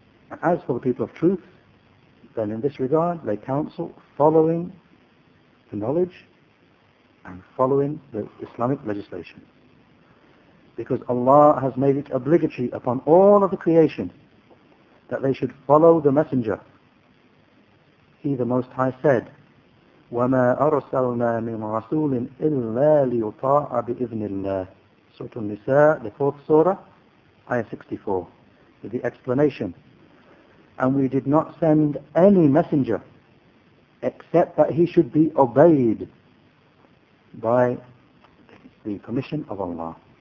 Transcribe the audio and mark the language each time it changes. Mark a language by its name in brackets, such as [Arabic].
[English] And as for the people of truth, then in this regard, they counsel following the knowledge and following the Islamic legislation. Because Allah has made it obligatory upon all of the creation that they should follow the Messenger. He, the Most High, said, [Arabic] وَمَا أَرْسَلْنَا مِنْ رَسُولٍ إِلَّا لِيُطَاعَ بِإِذْنِ اللَّهِ. [English] Surah An-Nisa, the 4th Surah, Ayah 64, with the explanation. And we did not send any Messenger except that he should be obeyed by the permission of Allah.